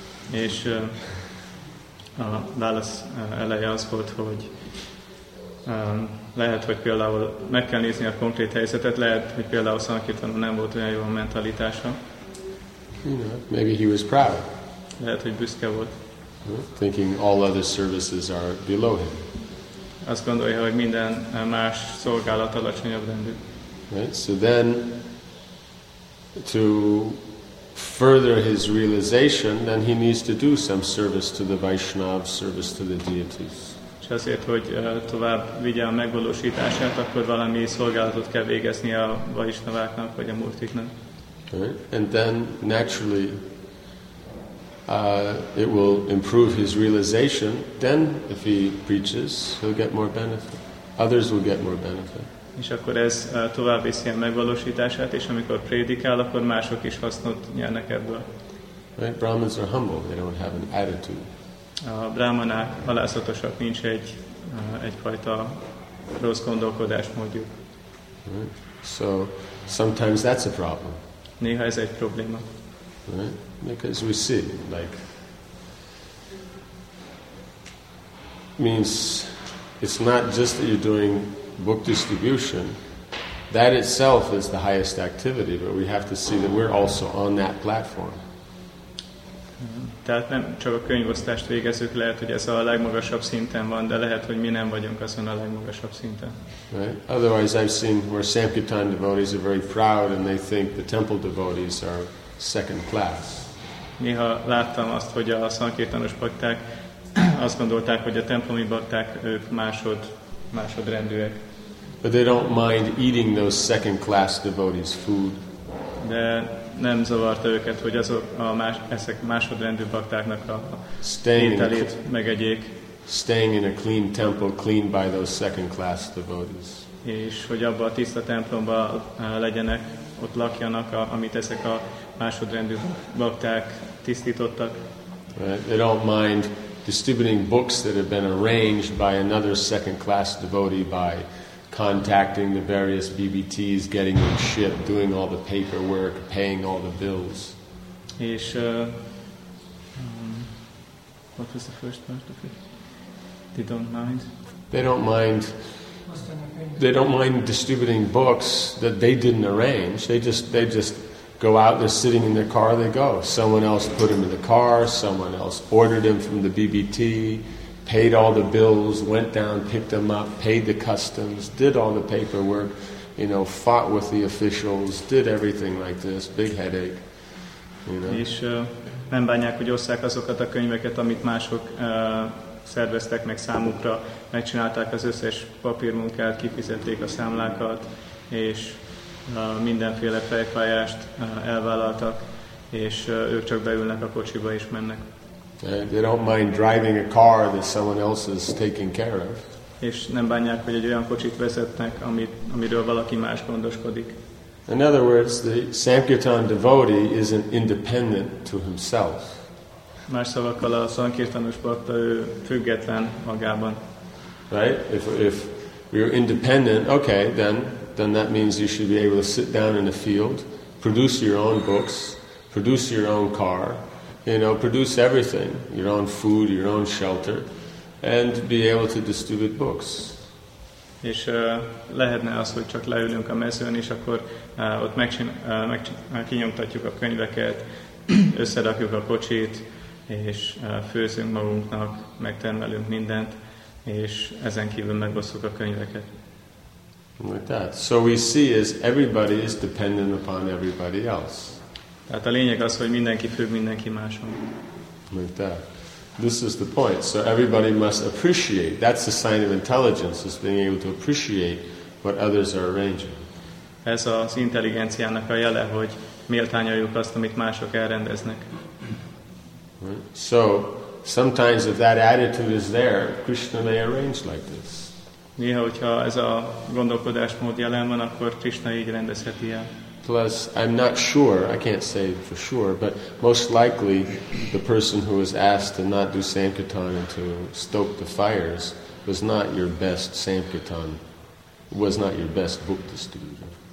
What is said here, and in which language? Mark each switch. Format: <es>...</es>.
<hu>És a válasz eleje az volt, hogy lehet, hogy például meg kell nézni a konkrét helyzetet, lehet, hogy például Sankirtan nem volt olyan jó a mentalitása.</hu> <en>Maybe he was proud.</en> <hu>Lehet, hogy büszke volt.</hu> <en>Thinking all other services are below him.</en> <hu>Azt gondolja, hogy minden más szolgálat alacsonyabb rendű.</hu> <en>Right? So then, to further his realization, then he needs to do some service to the Vaishnav, service to the deities.</en> <hu>És azért, hogy tovább vigye a megvalósítását, akkor valami szolgálatot kell végezni a Vaishnaváknak, vagy a murtiknak.</hu> <en>Right? And then, naturally, it will improve his realization. Then, if he preaches, he'll get more benefit. Others will get more benefit.</en> <hu>És akkor ez tovább viszi a megvalósítását, és amikor prédikál, akkor mások is hasznot nyernek ebből.</hu> <en>Right? Brahmins are humble. They don't have an attitude.</en> <hu>A brahmanák alázatosak, nincs egyfajta rossz gondolkodás módjuk.</hu> <en>Right? So, sometimes that's a problem.</en> <hu>Néha ez egy probléma.</hu> <en>Right? Because we see, like, means It's not just that you're doing book distribution. That itself is the highest activity, but we have to see that we're also on that platform.</en> <hu>Tehát nem csak a könyvosztást végezzük, lehet, hogy ez a legmagasabb szinten van, de lehet, hogy mi nem vagyunk azon a legmagasabb szinten.</hu> <en>Right? Otherwise, I've seen where Sankirtan devotees are very proud and they think the temple devotees are second class.</en> <hu>Néha láttam azt, hogy a szankirtanos bakták azt gondolták, hogy a templomi bakták ők másodrendűek.</hu> <en>But they don't mind eating those second class devotees' food.</en> <hu>De nem zavarta őket, hogy azok a ezek másodrendű baktáknak a ételét megegyék.</hu> <en>Staying in a clean temple, clean by those second class devotees.</en> <hu>És hogy abban a tiszta templomban legyenek, ott lakjanak, amit ezek a másodrendű bakták tisztítottak.</hu> <en>Right. They don't mind distributing books that have been arranged by another second class devotee by contacting the various BBTs, getting them shipped, doing all the paperwork, paying all the bills.</en> <hu>És</hu> <en>what was the first part of it? They don't mind. They don't mind. They don't mind distributing books that they didn't arrange. They just go out. They're sitting in their car. They go. Someone else put them in the car. Someone else ordered them from the BBT. Paid all the bills, went down, picked them up, paid the customs, did all the paperwork, you know, fought with the officials, did everything like this, big headache, you know.</en> <hu>És nem bánják, hogy osszák azokat a könyveket, amit mások szerveztek meg számukra, megcsinálták az összes papírmunkát, kifizették a számlákat, és mindenféle fejfájást elvállaltak, és ők csak beülnek a kocsiba és mennek.</hu> <en>They don't mind driving a car that someone else is taking care of.</en> <hu>És nem bánják, hogy egy olyan kocsit vezetnek, amiről valaki más gondoskodik.</hu> <en>In other words, the Sankirtan devotee isn't independent to himself.</en> <hu>Más szavakkal, a szankirtanos bakta független magában.</hu> <en>Right? If you're independent, okay, then that means you should be able to sit down in a field, produce your own books, produce your own car, you know, produce everything, your own food, your own shelter, and be able to distribute books.</en> <hu>És lehetne az, hogy csak leülünk a mezőn, és akkor ott kinyomtatjuk a könyveket, összerakjuk a kocsit, és főzünk magunknak, megtermelünk mindent, és ezen kívül megosztjuk a könyveket.</hu> <en>Like that. So we see is everybody is dependent upon everybody else.</en> <hu>Tehát a lényeg az, hogy mindenki függ mindenki máson.</hu> <en>Like that. This is the point. So everybody must appreciate. That's the sign of intelligence, is being able to appreciate what others are arranging.</en> <hu>Ez az intelligenciának a jele, hogy méltányoljuk azt, amit mások elrendeznek.</hu> <en>Right. So sometimes if that attitude is there, Krishna may arrange like this.</en> <hu>Néha, hogyha ez a gondolkodásmód jelen van, akkor Krishna így rendezheti el.</hu> <en>Plus, I'm not sure, I can't say for sure, but most likely the person who was asked to not do Sankirtan and to stoke the fires was not your best Sankirtan, was not your best book distributor.</en>